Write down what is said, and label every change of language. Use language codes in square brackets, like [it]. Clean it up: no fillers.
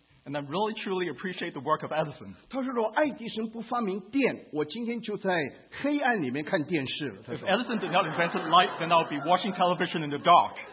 [en] And I really truly appreciate the work of Edison. [zh] 他说如果爱迪生不发明电，我今天就在黑暗里面看电视了。 [en] If Edison did not invent light, then I'll be watching television in the dark.